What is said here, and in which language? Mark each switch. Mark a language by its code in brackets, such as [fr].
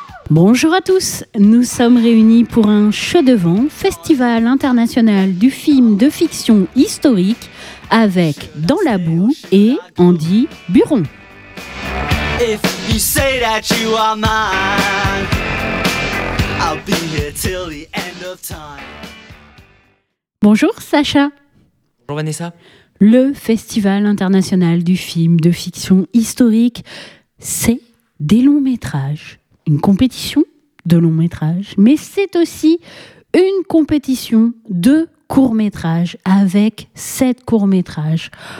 [fr] Bonjour à tous, nous sommes réunis pour un show de vent, festival international du film de fiction historique avec Dans la boue et Andy Buron. [en] If you say that you are mine, I'll be here till the end of time. [fr] Bonjour Sacha. Bonjour Vanessa. Le festival international du film de fiction historique, c'est des longs métrages. Une compétition de longs métrages, mais c'est aussi une compétition de courts métrages avec 7 courts métrages.